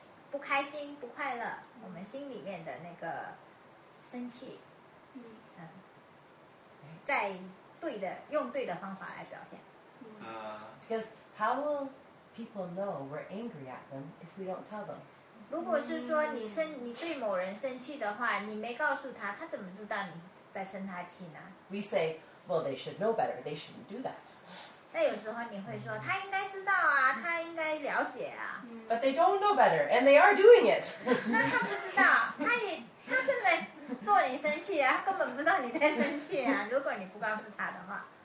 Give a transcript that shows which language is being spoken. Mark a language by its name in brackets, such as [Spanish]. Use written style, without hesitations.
[Chinese] 不开心、不快乐，我们心里面的那个生气，在用对的方法来表现。 [English] Because How will people know we're angry at them if we don't tell them? [Chinese] 如果是说你对某人生气的话，你没告诉他，他怎么知道你在生他气呢？ [English] We say, well, they should know better. They shouldn't do that. [Chinese] 那有时候你会说，他应该知道啊，他应该了解啊。 [English] But they don't know better, and they are doing it. [Chinese] 那他不知道，他正在做你生气啊，他根本不知道你在生气啊，如果你不告诉他的话。